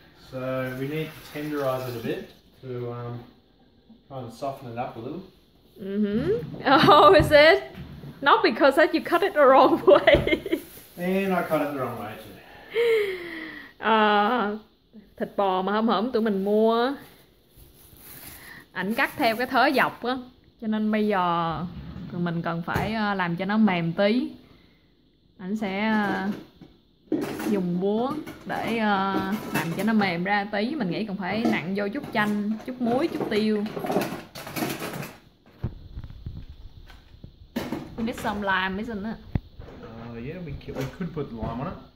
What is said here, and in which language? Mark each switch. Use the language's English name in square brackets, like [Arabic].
[English] So, we need to tenderize it a bit to try and soften it up a little. Oh, is it? Not because that you cut it the wrong way. And I cut it the wrong way too. [Vietnamese] Thịt bò mà hổm hổm tụi mình mua. Ảnh cắt theo cái thớ dọc á, cho nên bây giờ mình cần phải làm cho nó mềm tí. Ảnh sẽ dùng búa để làm cho nó mềm ra tí. Mình nghĩ cần phải nặn vô chút chanh, chút muối, chút tiêu. [English] We need some lime, isn't it? Yeah, we could put the lime on it.